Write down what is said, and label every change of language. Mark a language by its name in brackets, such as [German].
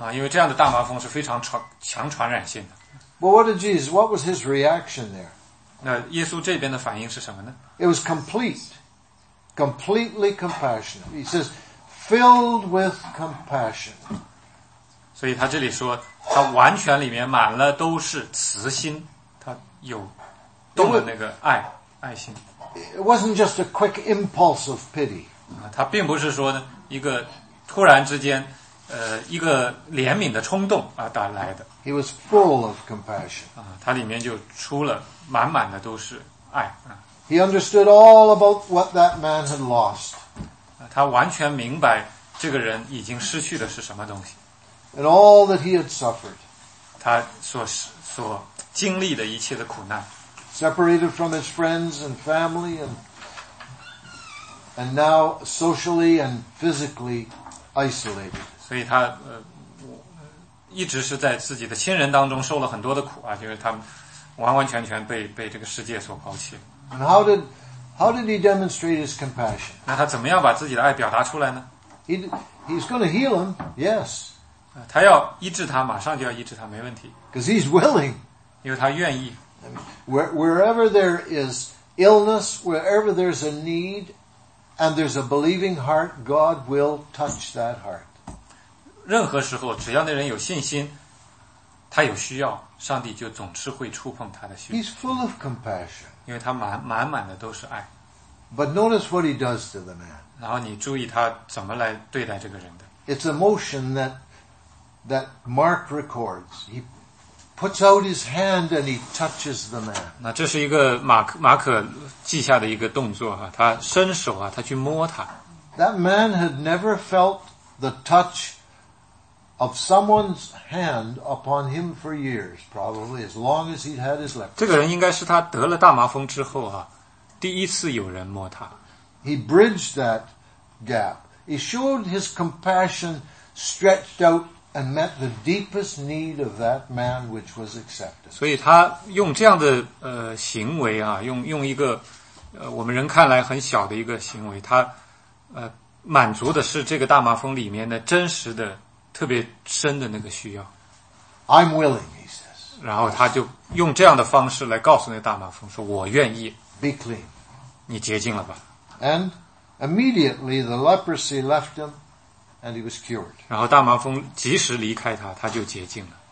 [Chinese] 因为这样的大麻风是非常强传染性的。 [English] But what did Jesus, what was his reaction there? [Chinese] 那耶稣这边的反应是什么呢? [English] It was complete. Completely compassionate. He says, filled with compassion. [Chinese] 所以他这里说,他完全里面满了都是慈心。他有动了那个爱心。 [English] It wasn't just a quick impulse of pity. [Chinese] 他并不是说呢,一个突然之间一个怜悯的冲动而打来的。 [English] He was full of compassion. [Chinese] 他里面就出了满满的都是爱。 [English] He understood all about what that man had lost. [Chinese] 他完全明白这个人已经失去的是什么东西。 [English] And all that he had suffered. [Chinese] 他所经历的一切的苦难。 [English] Separated from his friends and family and now socially and physically isolated. [Chinese] 所以他一直是在自己的亲人当中受了很多的苦啊，就是他完完全全被这个世界所抛弃。 [English] And how did he demonstrate his compassion? [Chinese] 那他怎么样把自己的爱表达出来呢？ [English] He's going to heal him, yes. [Chinese] 他要医治他，马上就要医治他，没问题。 [English] Because he's willing. [Chinese] 因为他愿意。 [English] Wherever there is illness, wherever there's a need, and there's a believing heart, God will touch that heart. [Chinese] 任何时候，只要那人有信心，他有需要，上帝就总是会触碰他的心。 [English] He's full of compassion. [Chinese] 因为他满满的都是爱。 [English] But notice what he does to the man. [Chinese] 然后你注意他怎么来对待这个人的。 [English] It's a motion that Mark records. He puts out his hand and he touches the man. [Chinese] 那这是一个马可记下的一个动作啊，他伸手啊，他去摸他。 [English] That man had never felt the touch of someone's hand upon him for years, probably as long as he'd had his leprosy. [Chinese] 这个人应该是他得了大麻风之后啊，第一次有人摸他。 [English] He bridged that gap. He showed his compassion stretched out and met the deepest need of that man, which was acceptance. [Chinese] 所以他用这样的行为啊，用一个我们人看来很小的一个行为，他满足的是这个大麻风里面的真实的特别深的那个需要。 [English] I'm willing, he says. [Chinese] 然后他就用这样的方式来告诉那大麻风说：“我愿意。 [English] ”Be clean. [Chinese] 你洁净了吧。 [English] And immediately the leprosy left him, and he was cured. [Chinese] 然后大麻风及时离开他，他就洁净了。